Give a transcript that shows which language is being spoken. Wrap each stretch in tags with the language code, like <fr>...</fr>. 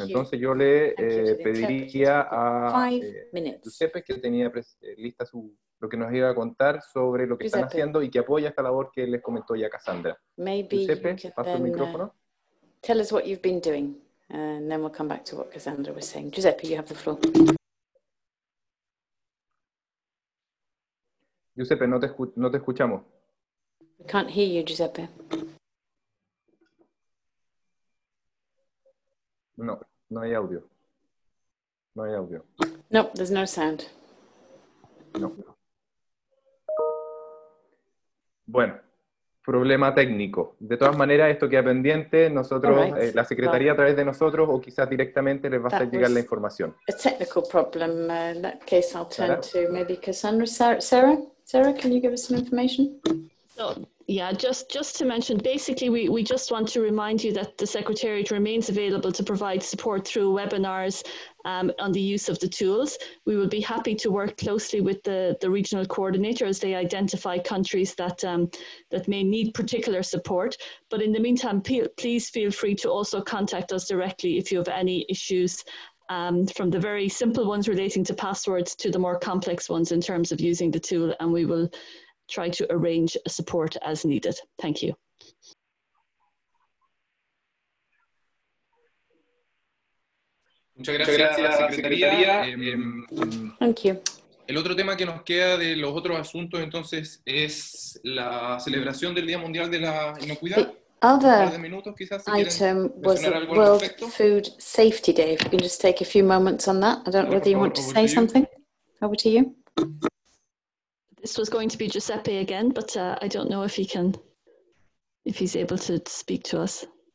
<es>Entonces yo le pediría a Giuseppe, que tenía lista su lo que nos iba a contar sobre lo que están haciendo y que apoya esta labor que les comentó ya Cassandra. Giuseppe, paso el micrófono.</es> <en>Tell us what you've been doing, and then we'll come back to what Cassandra was saying. Giuseppe, you have the floor.</en> <es>Giuseppe, no te escuchamos.</es> <en>We can't hear you, Giuseppe.</en> <es>No, no hay audio. No hay audio.</es> <en>No, nope, there's no sound.</en> <es>No. Bueno, problema técnico. De todas maneras, esto queda pendiente. Nosotros, right. La secretaría a través de nosotros o quizás directamente les va a llegar la información.</es> <en>A technical problem. In that case, I'll turn to maybe Cassandra. Sarah, can you give us some information? So, yeah, just to mention, basically, we just want to remind you that the Secretariat remains available to provide support through webinars on the use of the tools. We will be happy to work closely with the regional coordinator as they identify countries that that may need particular support. But in the meantime, please feel free to also contact us directly if you have any issues, from the very simple ones relating to passwords to the more complex ones in terms of using the tool, and we will try to arrange support as needed. Thank you.</en> <es>Muchas gracias, secretaría.</es> <en>Thank you.</en> <es>El otro tema que nos queda de los otros asuntos, entonces, es la celebración del Día Mundial de la Inocuidad.</es> <en>The other item was World Food Safety Day. If we can just take a few moments on that. I don't know whether you want to say something. Over to you. This was going to be Giuseppe again, but I don't know if he can, if he's able to speak to us.</en>